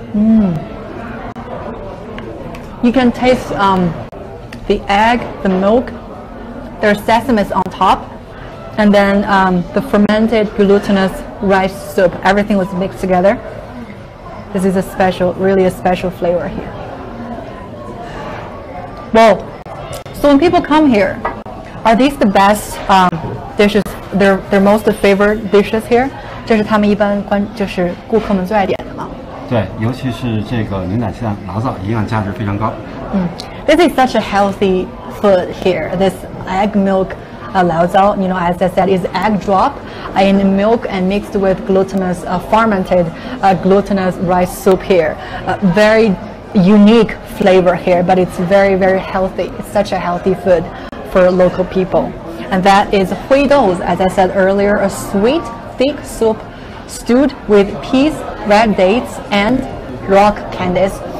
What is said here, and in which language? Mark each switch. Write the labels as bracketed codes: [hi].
[en] You can taste the egg, the milk, there's sesame on top, and then the fermented glutinous rice soup. Everything was mixed together. This is a special flavor here. Well, so when people come here, are these the best dishes, their most favorite dishes here? [zh] 这是他们一般就是顾客们最爱点的吗? 对，尤其是这个牛奶鸡蛋醪糟，营养价值非常高。 [en] This is such a healthy food here. This egg milk laozao, you know, as I said, is egg drop in milk and mixed with glutinous fermented glutinous rice soup here. Very unique flavor here, but it's very, very healthy. It's such a healthy food for local people. And that is hui dou, as I said earlier, a sweet, thick soup stewed with peas, red dates, and rock candies.